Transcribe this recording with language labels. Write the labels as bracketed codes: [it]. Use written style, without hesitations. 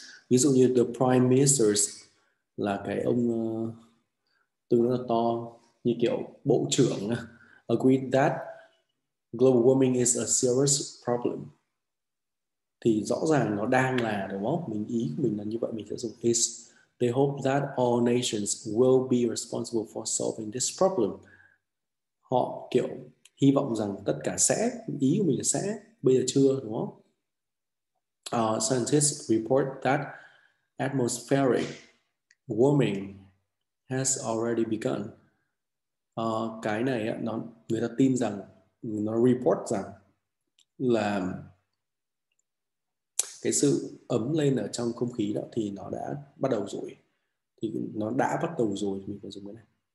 [vi] Ví dụ như [en] the prime minister [vi] là cái ông tương đối là to như kiểu bộ trưởng, [en] agreed that global warming is a serious problem. [vi] Thì rõ ràng nó đang là đúng không? Mình ý mình là như vậy, mình sẽ dùng is. [en] They hope that all nations will be responsible for solving this problem. [vi] Họ kiểu hy vọng rằng tất cả sẽ, ý của mình là sẽ, bây giờ chưa đúng không? [en] Scientists report that atmospheric warming has already begun. [vi] Cái này nó, người ta tin rằng, nó report rằng là cái sự ấm lên ở trong không khí đó thì nó đã bắt đầu rồi. Thì nó đã bắt đầu rồi, mình phải dùng cái này.